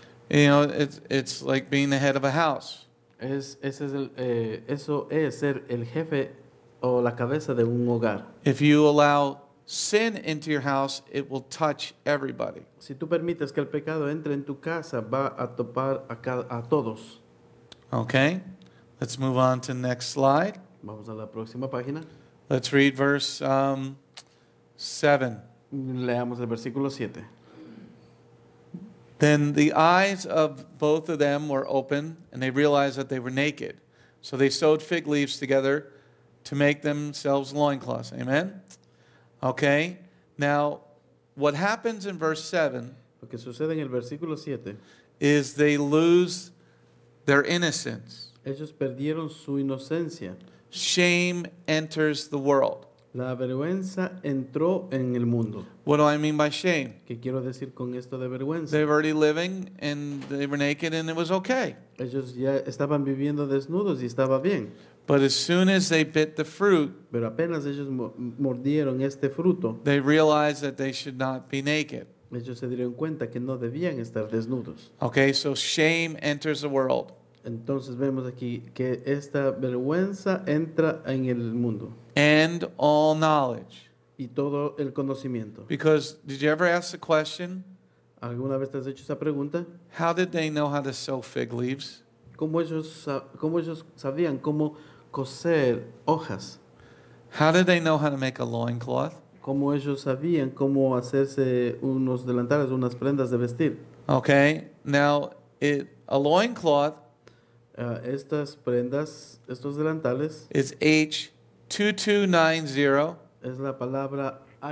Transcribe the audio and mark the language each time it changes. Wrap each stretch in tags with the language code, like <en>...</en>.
<en>You know, it's like being the head of a house.</en> <es>Eso es ser el jefe o la cabeza de un hogar.</es> <en>If you allow sin into your house, it will touch everybody.</en> <es>Si tú permites que el pecado entre en tu casa, va a topar a todos.</es> <en>Okay, let's move on to the next slide.</en> <es>Vamos a la próxima página.</es> <en>Let's read verse 7.</en> <es>Leamos el versículo 7.</es> <en>Then the eyes of both of them were open, and they realized that they were naked. So they sewed fig leaves together to make themselves loincloths. Amen? Okay. Now, what happens in verse 7,</en> <es>lo que sucede en el versículo 7</es> <en>is they lose their innocence.</en> <es>Ellos perdieron su inocencia.</es> <en>Shame enters the world.</en> <es>La vergüenza entró en el mundo.</es> <en>What do I mean by shame?</en> <es>¿Qué quiero decir con esto de vergüenza?</es> <en>They were already living and they were naked and it was okay.</en> <es>Ellos ya estaban viviendo desnudos y estaba bien.</es> <en>But as soon as they bit the fruit,</en> <es>pero apenas ellos mordieron este fruto,</es> <en>they realized that they should not be naked.</en> <es>Ellos se dieron cuenta que no debían estar desnudos.</es> <en>Okay, so shame enters the world.</en> <es>Entonces vemos aquí que esta vergüenza entra en el mundo.</es> <en>And all knowledge.</en> <es>Y todo el conocimiento.</es> <en>Because did you ever ask the question?</en> <es>¿Alguna vez te has hecho esa pregunta?</es> <en>How did they know how to sew fig leaves?</en> <es>¿Cómo ellos sabían cómo coser hojas?</es> <en>How did they know how to make a loincloth?</en> <es>¿Cómo ellos sabían cómo hacerse unos delantales, unas prendas de vestir?</es> <en>Okay, now a loincloth.</en> <es>Estas prendas, estos delantales.</es> <en>Is H2290.</en> <es>Es la palabra</es>